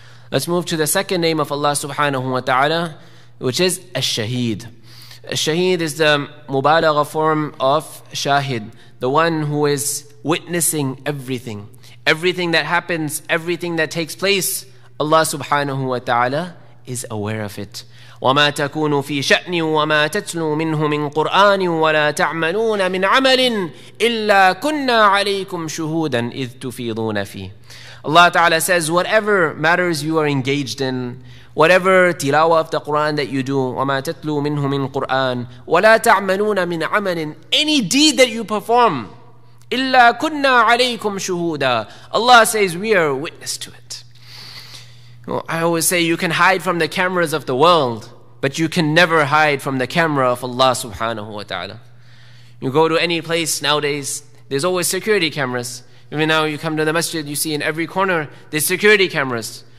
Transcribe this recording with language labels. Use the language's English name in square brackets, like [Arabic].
[English] Let's move to the second name of Allah subhanahu wa ta'ala, which is Ash-Shaheed. Ash-Shaheed is the mubalagha form of Shahid, the one who is witnessing everything. Everything that happens, everything that takes place, Allah subhanahu wa ta'ala is aware of it. [Arabic] وَمَا تَكُونُ فِي شَأْنٍ وَمَا تَتْلُو مِنْهُ مِنْ قُرْآنٍ وَلَا تَعْمَلُونَ مِنْ عَمَلٍ إِلَّا كُنَّا عَلَيْكُمْ شُهُودًا إِذْ تُفِيضُونَ فِيهِ [English] Allah Ta'ala says, whatever matters you are engaged in, whatever tilawa of the Qur'an that you do, [Arabic] وَمَا تَتْلُو مِنْهُ مِنْ قُرْآنٍ وَلَا تَعْمَلُونَ مِنْ عَمَلٍ [English] Any deed that you perform, [Arabic] إِلَّا كُنَّا عَلَيْكُمْ شُهُودًا [English] Allah says, we are witness to it. I always say you can hide from the cameras of the world, but you can never hide from the camera of Allah subhanahu wa ta'ala. You go to any place nowadays, there's always security cameras. Even now you come to the masjid, you see in every corner, there's security cameras.